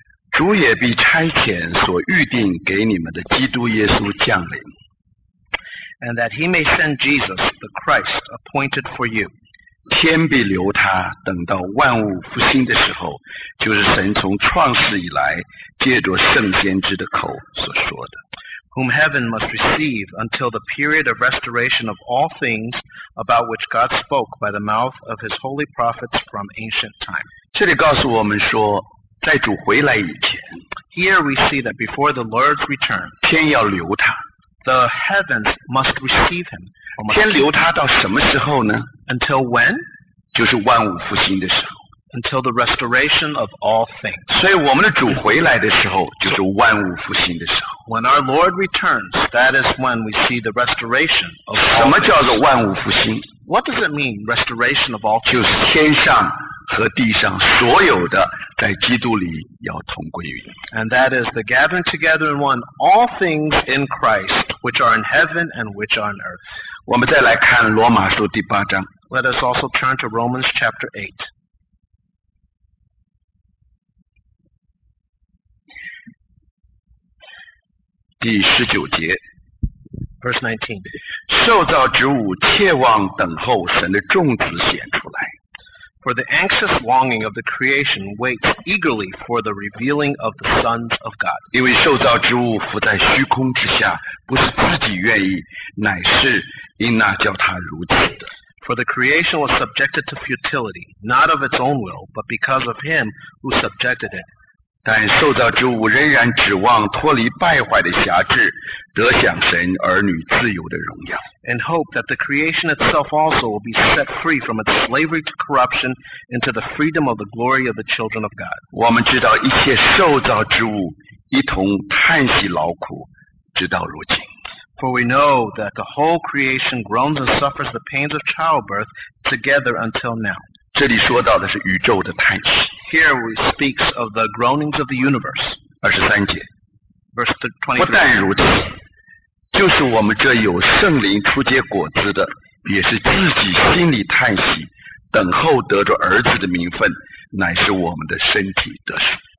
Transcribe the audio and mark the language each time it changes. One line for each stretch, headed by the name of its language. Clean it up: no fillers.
Chinese: 主也必差遣所预定给你们的基督耶稣降临。
English: And that he may send Jesus, the Christ, appointed for you.
Chinese: 天必留他，等到万物复兴的时候，就是神从创世以来，借着圣先知的口所说的。
English: Whom heaven must receive until the period of restoration of all things about which God spoke by the mouth of his holy prophets from ancient time.
Chinese: 这里告诉我们说，在主回来以前，
English: Here we see that before the Lord's return,
Chinese: 天要留他，
English: the heavens must receive him.
Chinese: 天留他到什么时候呢？
English: Until when?
Chinese: 就是万物复兴的时候。
English: Until the restoration of all things.
Chinese: 所以我们的主回来的时候就是万物复兴的时候。
English: When our Lord returns, that is when we see the restoration of all things.
Chinese: 什么叫做万物复兴？
English: What does it mean, restoration of all things?
Chinese: 就是天上和地上所有的在基督里要同归于一。
English: And that is the gathering together in one all things in Christ, which are in heaven and which are on earth.
Chinese: 我们再来看罗马书第八章。
English: Let us also turn to Romans chapter 8.
Chinese: 第十九节
English: Verse 19
Chinese: 受造之物切望等候神的众子显出来
English: For the anxious longing of the creation waits eagerly for the revealing of the sons of God
Chinese: 因为受造之物浮在虚空之下不是自己愿意乃是因那叫他如此的
English: For the creation was subjected to futility not of its own will but because of him who subjected it
Chinese: 但受造之物仍然指望脱离败坏的辖制，得享神儿女自由的荣耀。
English: And hope that the creation itself also will be set free from its slavery to corruption into the freedom of the glory of the children of God.
Chinese: 我们知道一切受造之物一同叹息劳苦，直到如今。
English: For we know that the whole creation groans and suffers the pains of childbirth together until now.
Chinese: 这里说到的是宇宙的叹息。
English: Here we speaks of the groanings of the universe.
Chinese: 23节
English: Verse 23.
Chinese: 不但如此，就是我们这有圣灵初结果子的，也是自己心里叹息，等候得着儿子的名分，乃是我们的身体得赎。